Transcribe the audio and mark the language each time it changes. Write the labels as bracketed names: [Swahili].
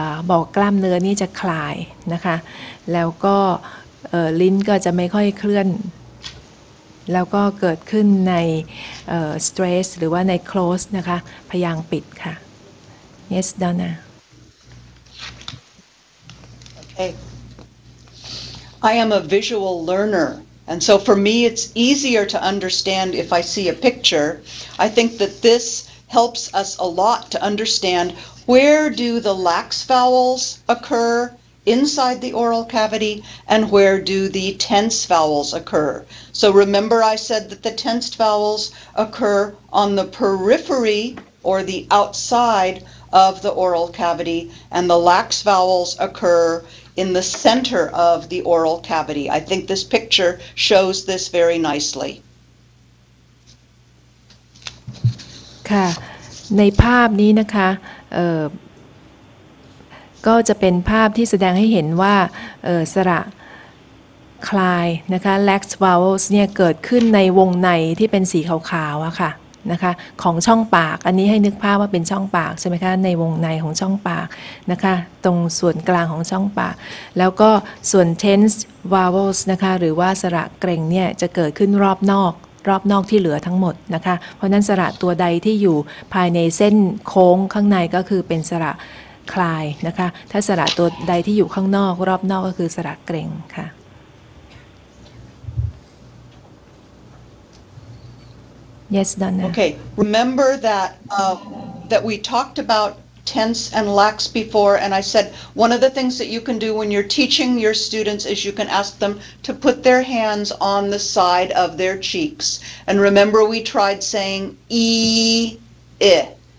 [Thai] บอกกล้ามเนื้อนี่จะคลายนะคะแล้วก็ลิ้นก็จะไม่ค่อยเคลื่อนแล้วก็เกิดขึ้นใน stress หรือว่าใน close นะคะพยางค์ปิดค่ะ [English] Yes Donna Okay I am a visual learner and so for me it's easier to understand if I see a picture I think that this helps us a lot to understandWhere do the lax vowels occur inside the oral cavity, and where do the tense vowels occur? So remember I said that the tensed vowels occur on the periphery or the outside of the oral cavity, and the lax vowels occur in the center of the oral cavity. I think this picture shows this very nicely. Okay. [Thai] ในภาพนี้นะคะก็จะเป็นภาพที่แสดงให้เห็นว่าสระคลายนะคะ lax vowels เนี่ยเกิดขึ้นในวงในที่เป็นสีขาวๆอะค่ะนะคะของช่องปากอันนี้ให้นึกภาพว่าเป็นช่องปากใช่ไหมคะในวงในของช่องปาก นะคะตรงส่วนกลางของช่องปากแล้วก็ส่วน tense vowels นะคะหรือว่าสระเกร็งเนี่ยจะเกิดขึ้นรอบนอกรอบนอกที่เหลือทั้งหมดนะคะเพราะนั้นสระตัวใดที่อยู่ภายในเส้นโค้งข้างในก็คือเป็นสระคลายนะคะถ้าสระตัวใดที่อยู่ข้างนอกรอบนอกก็คือสระเกร็งค่ะ [English] Yes Donna Okay remember that that we talked about tense and lax before and I said one of the things that you can do when you're teaching your students is you can ask them to put their hands on the side of their cheeks and remember we tried saying e i